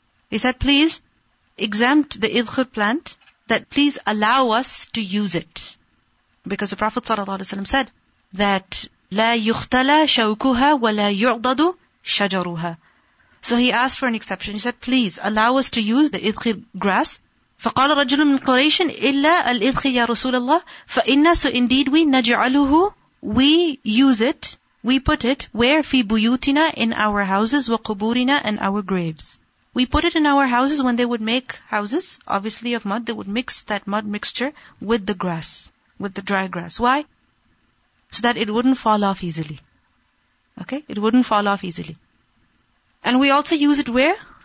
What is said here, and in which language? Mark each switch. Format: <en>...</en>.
<en>He said, please, exempt the إِذْخِرِ plant, that please allow us to use it. Because the Prophet ﷺ said that</en> <ar>لا يختلى شوكها ولا يعضد شجرها.</ar> <en>So he asked for an exception. He said, please allow us to use the idkhir grass.</en> <ar>فقال رجل من قريش إلا الإذخر يا رسول الله فإن,</ar> <en>so indeed we نجعله, we use it, we put it where,</en> <ar>في بيوتنا,</ar> <en>in our houses, وقبورنا, and our graves. We put it in our houses when they would make houses, obviously of mud, they would mix that mud mixture with the grass, with the dry grass. Why? So that it wouldn't fall off easily. Okay? It wouldn't fall off easily. And we also use it where?</en>